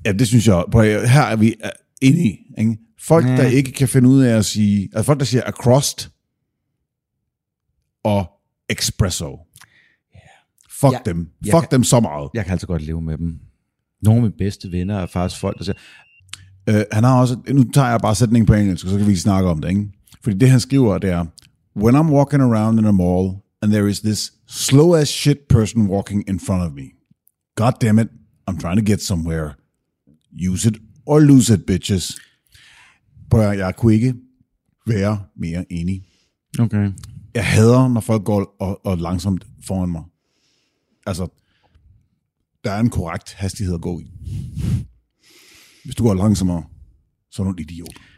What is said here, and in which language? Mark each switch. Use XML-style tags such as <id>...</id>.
<da>Ja, det synes jeg. Prøv at, her er vi inde i. Ikke? Folk, der ikke kan finde ud af at sige, at folk, der siger across og espresso. Yeah. Fuck dem. Fuck dem så meget. Jeg kan altså godt leve med dem. Nogle af mine bedste venner er faktisk folk, der siger... Han har også... Nu tager jeg bare sætningen på engelsk, så kan vi snakke om det. Ikke? Fordi det, han skriver, det er...</da> <en>When I'm walking around in a mall... And there is this slow as shit person walking in front of me. God damn it, I'm trying to get somewhere. Use it or lose it, bitches.</en> <da>Prøv at, jeg kunne ikke være mere enig. Okay. Jeg hader, når folk går og langsomt foran mig. Altså, der er en korrekt hastighed at gå i. Hvis du går langsommere, så er du en idiot.</da>